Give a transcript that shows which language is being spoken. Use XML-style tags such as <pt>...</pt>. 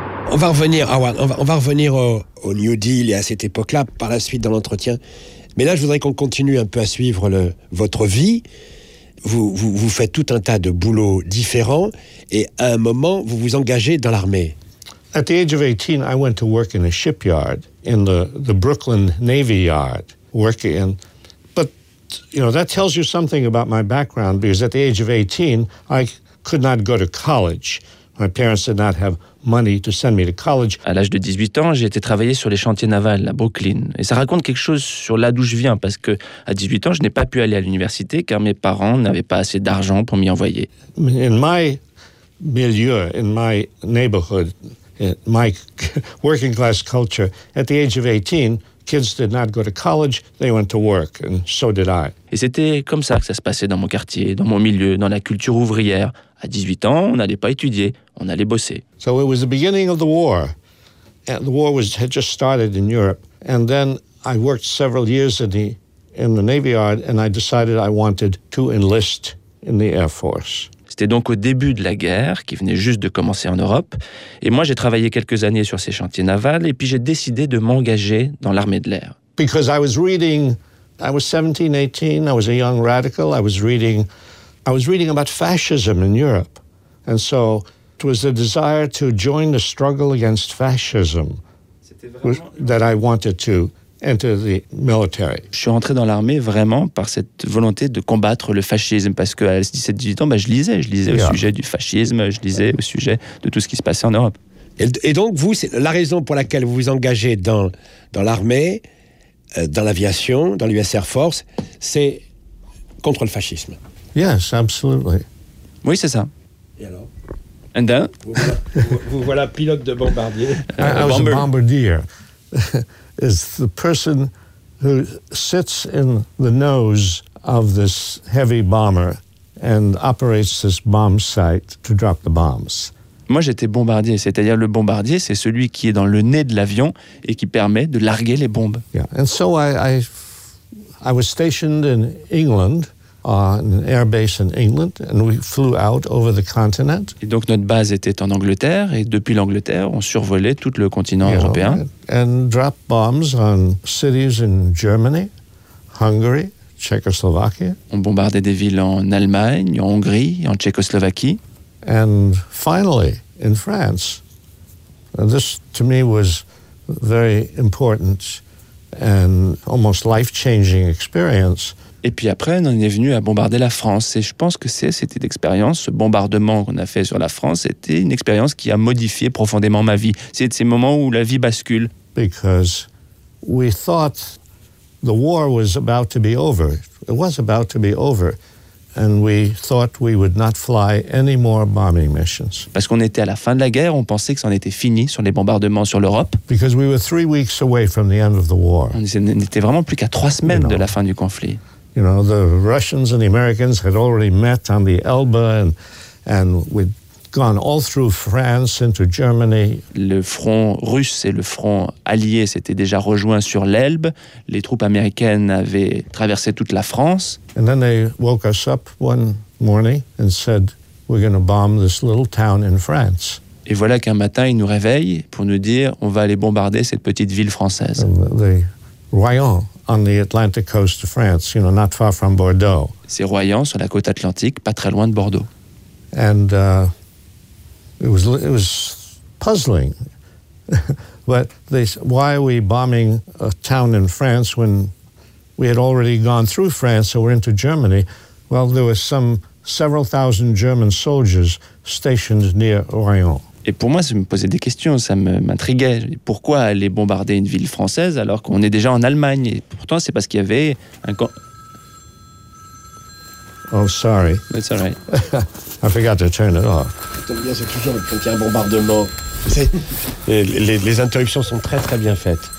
<fr>« On va revenir au New Deal et à cette époque-là, par la suite dans l'entretien. Mais là, je voudrais qu'on continue un peu à suivre votre vie. Vous faites tout un tas de boulots différents et à un moment, vous vous engagez dans l'armée.</fr> <en>At the age of 18, I went to work in a shipyard in the Brooklyn Navy Yard, working. But, you know, that tells you something about my background, because at the age of 18, I could not go to college. My parents did not have money to send me to college.</en> <fr>À l'âge de 18 ans, j'ai été travailler sur les chantiers navals à Brooklyn. Et ça raconte quelque chose sur là d'où je viens, parce que à 18 ans, je n'ai pas pu aller à l'université, car mes parents n'avaient pas assez d'argent pour m'y envoyer.</fr> <en>In my milieu, in my neighborhood, my working class culture, at the age of 18, kids did not go to college, they went to work, and so did I.</en> <fr>Et c'était comme ça que ça se passait dans mon quartier, dans mon milieu, dans la culture ouvrière. À 18 ans, on n'allait pas étudier, on allait bosser.</fr> <en>So it was the beginning of the war. And the war had just started in Europe. And then I worked several years in the Navy Yard, and I decided I wanted to enlist in the Air Force.</en> <fr>C'était donc au début de la guerre, qui venait juste de commencer en Europe. Et moi, j'ai travaillé quelques années sur ces chantiers navals, et puis j'ai décidé de m'engager dans l'armée de l'air.</fr> <en>Because I was reading, I was 17, 18, I was a young radical, I was reading about fascism in Europe. And so, it was the desire to join the struggle against fascism that I wanted to enter the military.</en> <fr>Je suis rentré dans l'armée vraiment par cette volonté de combattre le fascisme, parce qu'à 17-18 ans, je lisais au sujet du fascisme, je lisais au sujet de tout ce qui se passait en Europe. Et donc, vous, c'est la raison pour laquelle vous vous engagez dans l'armée, dans l'aviation, dans l'US Air Force, c'est contre le fascisme.</fr> <en>Yes, absolutely.</en> <fr>Oui, c'est ça. Et alors?</fr> <en>And then?</en> <fr>Vous voilà pilote de bombardier.</fr> <en>I was a bombardier. Is the person who sits in the nose of this heavy bomber and operates this bomb site to drop the bombs.</en> <fr>Moi, j'étais bombardier. C'est-à-dire, le bombardier, c'est celui qui est dans le nez de l'avion et qui permet de larguer les bombes.</fr> <en>Yeah. And so I was stationed in England, an air base in England, and we flew out over the continent.</en> <fr>Et donc notre base était en Angleterre, et depuis l'Angleterre, on survolait tout le continent européen.</fr> <en>And dropped bombs on cities in Germany, Hungary, Czechoslovakia.</en> <fr>On bombardait des villes en Allemagne, en Hongrie, en Tchécoslovaquie.</fr> <en>And finally, in France. And this, to me, was very important and almost life-changing experience.</en> <fr>Et puis après, on est venu à bombarder la France. Et je pense que c'était l'expérience, ce bombardement qu'on a fait sur la France, c'était une expérience qui a modifié profondément ma vie. C'est ces moments où la vie bascule.</fr> <en>Because we thought the war was about to be over. It was about to be over. And we thought we would not fly any more bombing missions.</en> <fr>Parce qu'on était à la fin de la guerre, on pensait que c'en était fini sur les bombardements sur l'Europe.</fr> <en>Because we were 3 weeks away from the end of the war.</en> <fr>On n'était vraiment plus qu'à 3 semaines de la fin du conflit.</fr> <en>You know, the Russians and the Americans had already met on the Elbe, and we'd gone all through France into Germany.</en> <fr>Le front russe et le front allié s'étaient déjà rejoints sur l'Elbe. Les troupes américaines avaient traversé toute la France.</fr> <en>And then they woke us up one morning and said, "We're going to bomb this little town in France."</en> <fr>Et voilà qu'un matin, ils nous réveillent pour nous dire, "On va aller bombarder cette petite ville française."</fr> <en>Rouen. On the Atlantic coast of France, you know, not far from Bordeaux.</en> <fr>C'est Royan sur la côte atlantique, pas très loin de Bordeaux.</fr> <en>And it was puzzling. But why are we bombing a town in France when we had already gone through France, so we're into Germany? Well, there were several thousand German soldiers stationed near Royan.</en> <fr>Et pour moi, ça me posait des questions, ça m'intriguait. Pourquoi aller bombarder une ville française alors qu'on est déjà en Allemagne? Et pourtant, c'est parce qu'il y avait un camp...</fr> <en>Oh, sorry. It's all right. I forgot to turn it off.</en> <fr>J'aime bien, c'est toujours quand il y a un bombardement. Les interruptions sont très, très bien faites.</fr>